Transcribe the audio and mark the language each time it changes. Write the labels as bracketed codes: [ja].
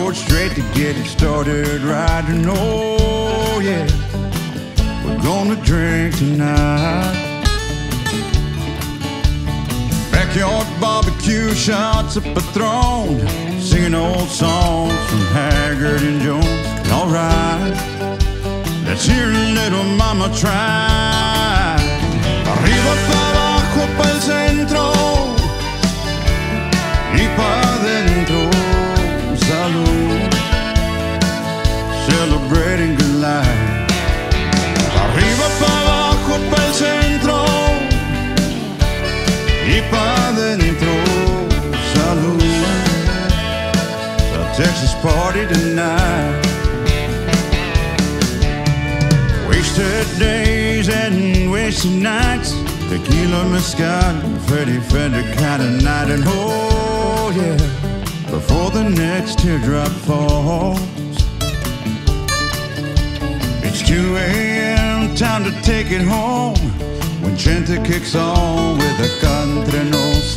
[en] ready to get it started riding. Oh yeah, we're gonna drink tonight. Backyard barbecue, shots up a throne, singing old songs from Haggard and Jones. All right, let's hear a little mama try. [es] Arriba para abajo, pa'l centro y pa' dentro. [en] Salud, celebrating good life. [es] Arriba para abajo, pa'l centro y pa' dentro. [en] Salud, the Texas party tonight. Wasted days and wasted nights, tequila, mezcal, Freddy Fender kind of night. And oh yeah, before the next teardrop falls, it's 2 a.m., time to take it home, when gente kicks on with a cantrenos.